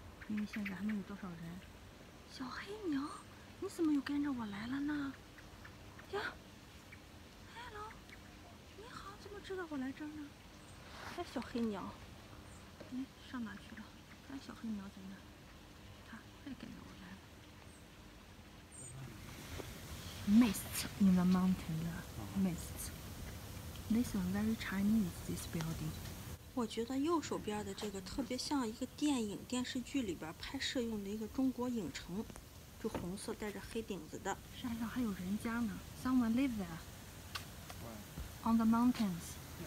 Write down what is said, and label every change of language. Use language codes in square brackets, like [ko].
[zh] 因为现在还没有多少人。小黑牛，你怎么又跟着我来了呢？呀 ，Hello， 你好，怎么知道我来这儿呢？哎，小黑牛，哎，上哪去了？哎，小黑牛在那，他也跟着我。 [en] Mist in the mountain, the mist. This one very Chinese. This building. [zh] 我觉得右手边的这个特别像一个电影、电视剧里边拍摄用的一个中国影城，就红色带着黑顶子的。山上还有人家呢。 [en] Someone live there. On the mountains.